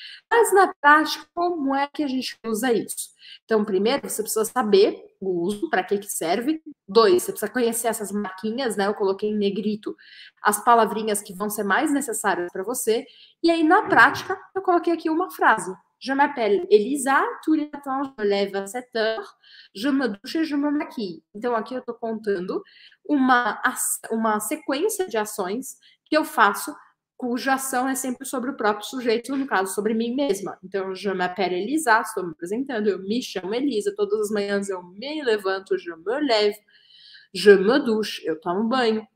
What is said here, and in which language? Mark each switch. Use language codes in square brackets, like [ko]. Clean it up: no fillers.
[pt] Mas na prática, como é que a gente usa isso? Então, primeiro, você precisa saber o uso, para que que serve. Dois, você precisa conhecer essas marquinhas, né? Eu coloquei em negrito as palavrinhas que vão ser mais necessárias para você. E aí, na prática, eu coloquei aqui uma frase. [fr] Je m'appelle Elisa, tous les matins, je me lève à 7 heures, je me douche et je me maquille. [pt] Então, aqui eu estou contando uma sequência de ações que eu faço, cuja ação é sempre sobre o próprio sujeito, no caso, sobre mim mesma. Então, [fr] je m'appelle Elisa, [pt] estou me apresentando, eu me chamo Elisa, todas as manhãs eu me levanto, [fr] je me lève, je me douche, [pt] eu tomo banho.